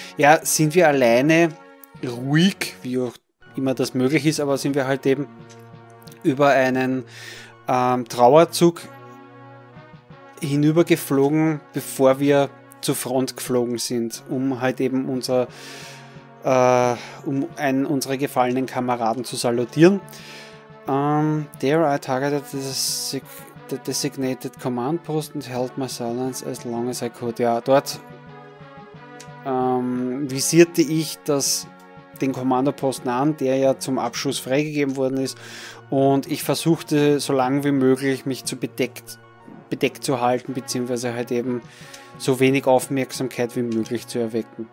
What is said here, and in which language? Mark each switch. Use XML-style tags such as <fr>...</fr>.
<de>Ja, sind wir alleine, ruhig, wie auch immer das möglich ist, aber sind wir halt eben über einen Trauerzug hinübergeflogen, bevor wir zur Front geflogen sind, um halt eben um einen unserer gefallenen Kameraden zu salutieren.</de> <en>There I targeted the designated command post and held my silence as long as I could.</en> <de>Ja, dort visierte ich das, den Kommandoposten an, der ja zum Abschuss freigegeben worden ist, und ich versuchte so lange wie möglich mich zu bedeckt zu halten, beziehungsweise halt eben so wenig Aufmerksamkeit wie möglich zu erwecken.</de>